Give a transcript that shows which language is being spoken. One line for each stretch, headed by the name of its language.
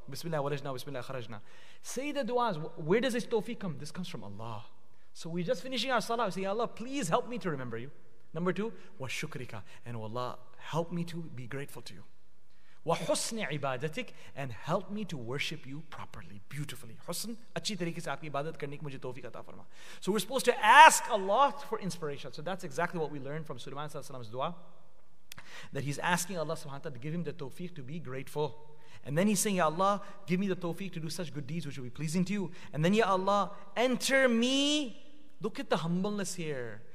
Arabic: Bismillah, walajna, Bismillah, kharajna.
English: Say the du'as. Where does this tawfiq come? This comes from Allah. So we're just finishing our salah. We say, Ya Allah, please help me to remember you. Number two,
Arabic: wa shukrika.
English: And oh Allah, help me to be grateful to you.
Arabic: Wa husni ibadatik.
English: And help me to worship you properly, beautifully.
Urdu: حسن, اچھی طریقے سے آپ کی عبادت کرنے کی مجھے توفیق عطا فرما.
English: So we're supposed to ask Allah for inspiration. So that's exactly what we learned from Sulaiman alayhi's dua. That he's asking Allah subhanahu wa ta'ala to give him the tawfiq to be grateful. And then he's saying, Ya Allah, give me the tawfiq to do such good deeds which will be pleasing to you. And then, Ya Allah, enter me. Look at the humbleness here.